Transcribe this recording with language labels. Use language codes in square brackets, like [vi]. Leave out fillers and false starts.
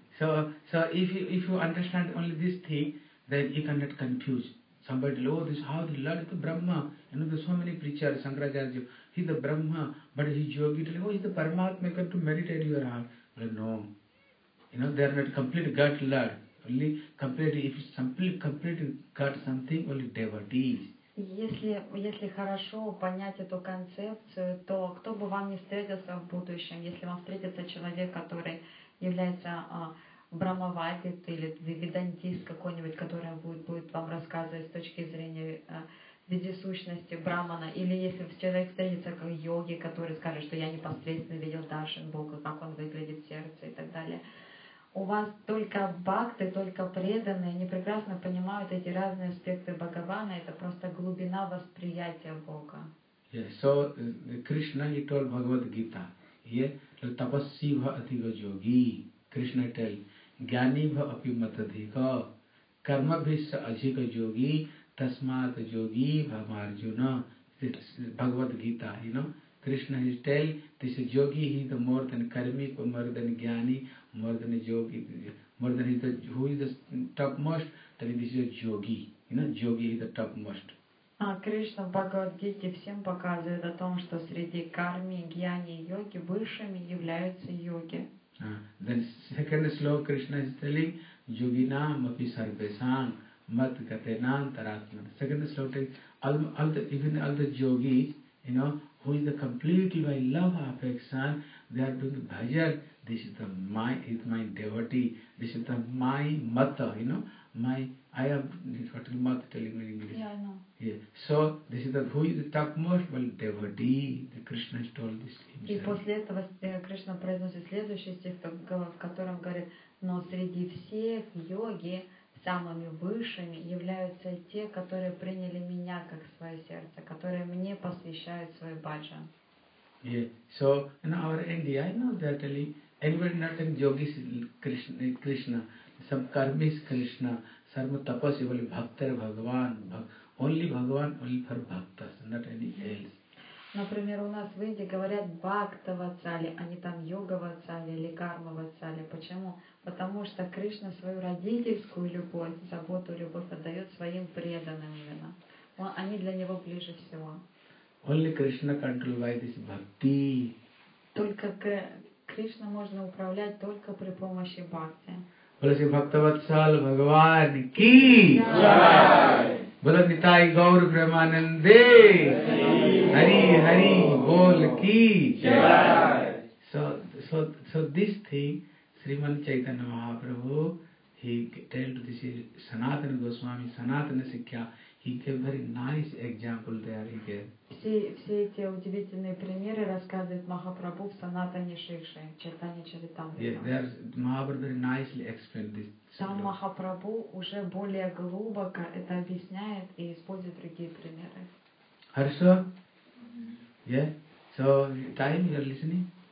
[en] So if you understand only this thing, then you can get confused. Somebody, oh, this, how the Lord is the Brahma. You know, there's so many preachers, Shankaracharya, he's the Brahma, but he's yogi. Oh, he's the Paramatma, you come to meditate your heart. But no. You know, they are not complete God, Lord. Only complete, if simply complete God something, only devotees. [ru] Если хорошо понять эту концепцию, то кто бы вам не встретился в будущем, если вам встретится человек, который является брахмавадит или ведантист какой-нибудь, который будет вам рассказывать с точки зрения вездесущности брахмана, или если человек встретится как йоги, который скажет, что я непосредственно видел даршан Бога, как он выглядит в сердце и так далее. У вас только бхакты, только преданные, они прекрасно понимают эти разные аспекты Бхагавана, это просто глубина восприятия Бога. [en] Yes. So, Krishna, he told Bhagavad Gita. Yeah, [sa] tapasvi bha atiga yogi, Krishna tell, jnani bha api matadhika, karma bhisa ajiga yogi, tasmat yogi bhamarjuna, [en] Bhagavad Gita, you know, Krishna is tell, this yogi is the more than karmic, more than jnani, more than yogi, more than who is the topmost, then this is a yogi, you know, yogi is the topmost. [ru] А Кришна в Бхагавад-гите всем показывает о том, что среди карми, гьяни и йоги высшими являются йоги. [en] Then second slogan Krishna is telling, [sa] yoginam api sarvesam mat gatenam taratman. [en] Second slogan tells, all the yogis, you know, who is the completely by love affection, they are doing the bhajan. This is the my devotee. This is the my mata, you know. My, I am, what is mata telling me in English? Yeah, I know. Yeah. So this is the who is the topmost? Well, devotee. The Krishna has told this himself. [ru] И после этого Кришна произносит следующий стих, в котором говорит: но среди всех йоги самыми высшими являются те, которые приняли меня как свое сердце, которые мне посвящают свой баджан. [en] Yeah. So in our India, I know they're telling everybody not in yogis is Krishna, some karmi is Krishna, some tapas is only bhaktar Bhagavan. Only Bhagavan, only for bhaktas, not any else. [ru] Например, у нас в Индии говорят бхактава цали, а не там йогава цали или кармава цали. Почему? Потому что Кришна свою родительскую любовь, заботу, любовь отдает своим преданным именно. Они для него ближе всего. [en] Only Krishna control by this bhakti. [ru] Только Кришна можно управлять только при помощи бхакти. [sa] Баласи Бхактаватсал Бхагаван Ки! Джай! Бала Нитай Гаур Брахмананде! Хари Хари Бол Ки! Джай! [en] So this thing, Sriman Chaitanya Mahaprabhu, he told this Sanatana Goswami, Sanatana Sikhya, he gave very nice example there, he gave. [ru] Все эти удивительные примеры рассказывает Махапрабху в Санатане Шикше, Чайтанья Чаритамритам. Там Махапрабху уже более глубоко это объясняет и использует другие примеры. Хорошо? [en] Yeah? So, time, you're listening?